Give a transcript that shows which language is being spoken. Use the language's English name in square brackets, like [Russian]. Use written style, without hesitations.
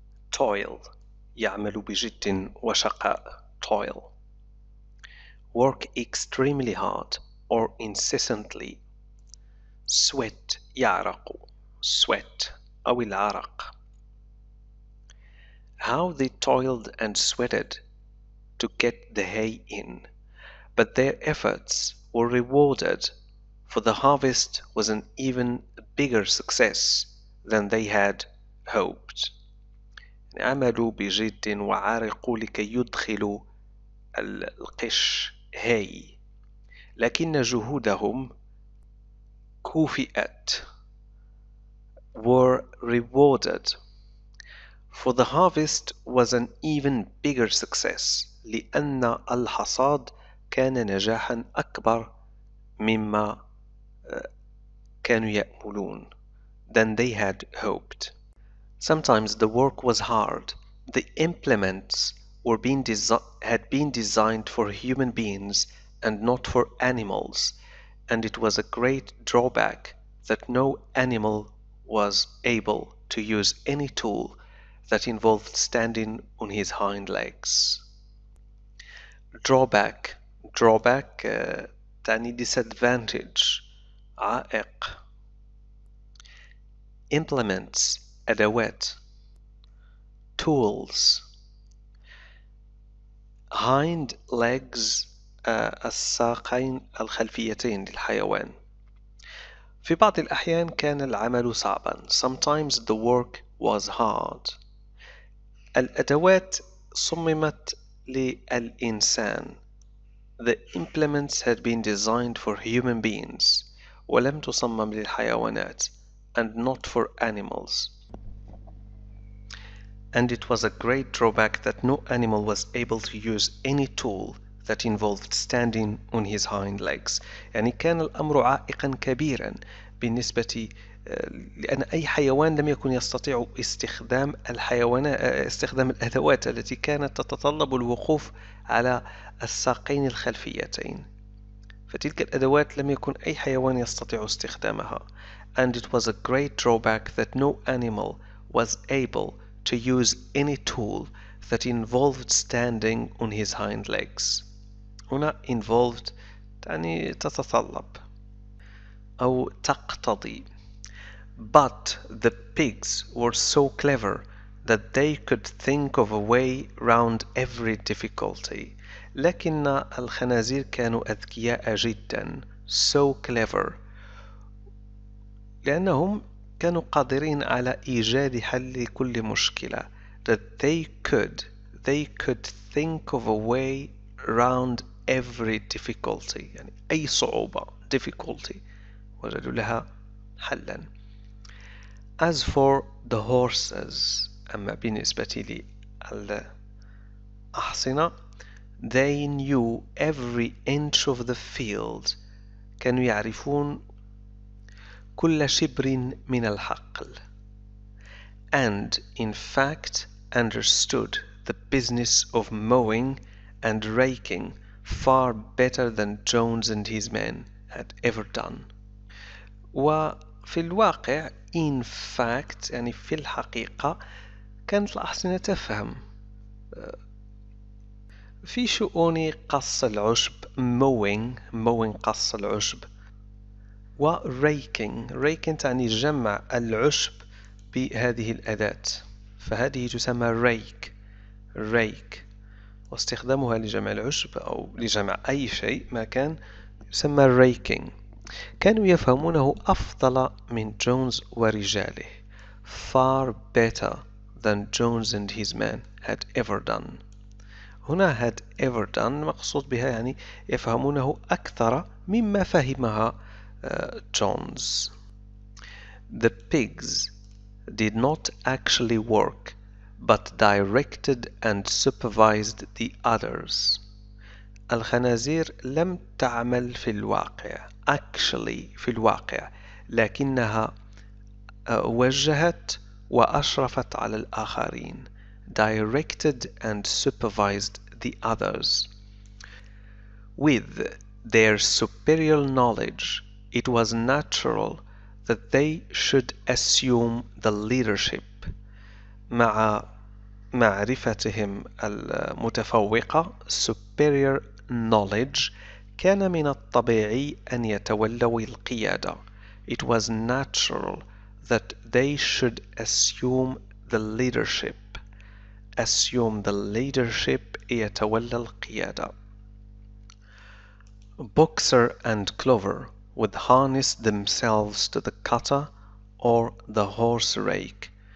[Arabic] toil, يعمل بجد وشقاء toil. [English] Work extremely hard or incessantly. [Arabic] Sweat, يعرق, sweat, أو العرق. [English] How they toiled and sweated to get the hay in, but their efforts were rewarded, for the harvest was an even bigger success than they had hoped. [Arabic] عملوا بجد وعارقوا لكي يدخلوا القش هاي، لكن جهودهم كوفئت، [English] were rewarded. For the harvest was an even bigger success. [Arabic] لأن الحصاد كان نجاحا أكبر مما كانوا يأملون. [English] Than they had hoped. Sometimes the work was hard. The implements were being had been designed for human beings and not for animals. And it was a great drawback that no animal was able to use any tool that involved standing on his hind legs. Drawback. Drawback تعني disadvantage. [Arabic] عائق. [English] Implements. أدوات. Tools. Hind legs. [Arabic] الساقين الخلفيتين للحيوان. في بعض الأحيان كان العمل صعبا. [English] Sometimes the work was hard. [Arabic] الأدوات صممت للإنسان. [English] The implements had been designed for human beings. [Arabic] ولم تصمم للحيوانات. [English] And not for animals. And it was a great drawback that no animal was able to use any tool that involved standing on his hind legs. [Arabic] يعني كان الأمر عائقا كبيرا بالنسبة لأن أي حيوان لم يكن يستطيع استخدام استخدام الأدوات التي كانت تتطلب الوقوف على الساقين الخلفيتين. فتلك الأدوات لم يكن أي حيوان يستطيع استخدامها. [English] And it was a great drawback that no animal was able to use any tool that involved standing on his hind legs. [Arabic] هنا involved تعني تتطلب أو تقتضي. [English] But the pigs were so clever that they could think of a way round every difficulty. [Arabic] لكن الخنازير كانوا أذكياء جدا. [English] So clever. [Arabic] لأنهم كانوا قادرين على إيجاد حل لكل مشكلة. [English] That they could think of a way round every difficulty. [Arabic] يعني أي صعوبة difficulty وجدوا لها حلا. [English] As for the horses, [Arabic] أما بالنسبة للأحصنة, [English] they knew every inch of the field. [Arabic] كانوا يعرفون كل شبر من الحقل. [English] And in fact understood the business of mowing and raking far better than Jones and his men had ever done. [Arabic] وفي الواقع in fact يعني في الحقيقة كانت الأحصنة تفهم في شؤون قص العشب mowing قص العشب و raking تعني جمع العشب بهذه الأداة فهذه تسمى rake واستخدامها لجمع العشب أو لجمع أي شيء ما كان يسمى raking كانوا يفهمونه أفضل من جونز ورجاله [English] far better than Jones and his men had ever done هنا had ever done [Arabic] مقصود بها يعني يفهمونه أكثر مما فهمها [English] Jones. The pigs did not actually work, but directed and supervised the others. [Arabic] الخنازير لم تعمل في الواقع. Actually في الواقع. لكنها وجهت وأشرفت على الآخرين. [English] Directed and supervised the others. With their superior knowledge, it was natural that they should assume the leadership. مع [Arabic] معرفتهم المتفوقة [English] superior knowledge [Arabic] كان من الطبيعي أن يتولوا القيادة. [English] It was natural that they should assume the leadership. Assume the leadership, [Arabic] يتولى القيادة. [English] Boxer and Clover would harness themselves to the cutter or the horse rake.